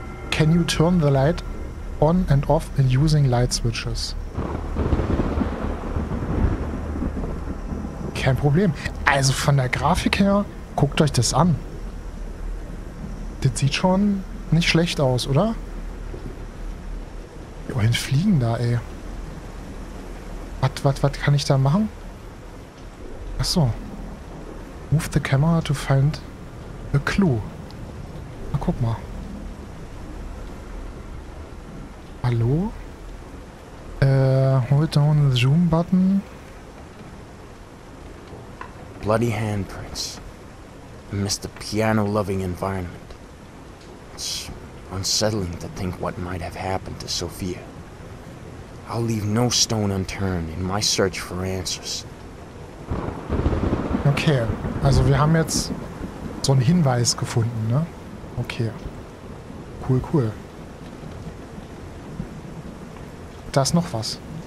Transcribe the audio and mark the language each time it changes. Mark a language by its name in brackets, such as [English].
[English] Can you turn the light on and off in using light switches? [German] Kein Problem. Also von der Grafik her, guckt euch das an. Das sieht schon nicht schlecht aus, oder? Wohin fliegen da, ey? Was kann ich da machen? Achso. [English] Move the camera to find a clue. [German] Na, guck mal. Hallo? [English] Hold down the zoom button. Bloody handprints. Amidst the piano-loving environment. It's unsettling to think what might have happened to Sophia. I'll leave no stone unturned in my search for answers. [German] Okay, also wir haben jetzt so einen Hinweis gefunden, ne? Okay. Cool, cool. Da ist noch was.